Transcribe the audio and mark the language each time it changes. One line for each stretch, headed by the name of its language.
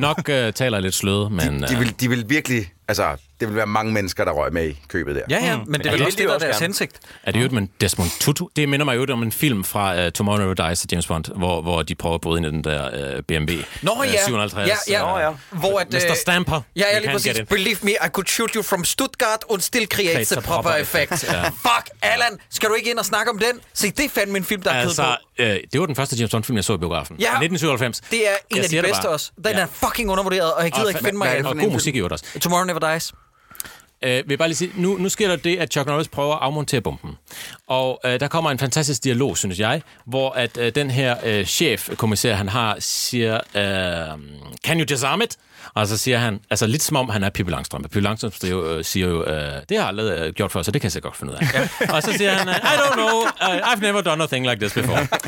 Danish: Nok taler lidt sløde, men... De vil virkelig... Altså, det vil være mange mennesker, der røg med i købet der. Ja, ja, men det er jo det, der er deres hensigt. Er det jo med Desmond Tutu? Det minder mig jo om en film fra Tomorrow Never Dies af James Bond, hvor de prøver at bryde ind i den der BMW. Nå ja, 57, ja, ja. Hvor at, Mr. Stamper. Ja, jeg lige præcis.
English: Believe me, I could shoot you from Stuttgart and still create the proper effect.
Danish: Ja. Fuck, Allan, skal du ikke ind og snakke om den? Se, det er fandme en film, der er kød på. Det var den første James Bond-film, jeg så i biografen. Ja, 1997. Det er en af de bedste også. Den er fucking undervurderet, og jeg gider ikke finde mig af. Og god musik i øvrigt også. Tomorrow Never Dies. Vil bare lige sige, nu sker der det, at Chuck Norris prøver at afmontere bomben. Og der kommer en fantastisk dialog, synes jeg, hvor at den her chefkommissær, han har, siger,
English: can you disarm it?
Danish: Og så siger han, altså lidt som om han er Pippi Langstrømpe. Pippi Langstrømpe siger jo, det har jeg aldrig gjort før, så det kan jeg godt finde ud af. Og så siger han,
English: I don't know, I've never done a thing like this before.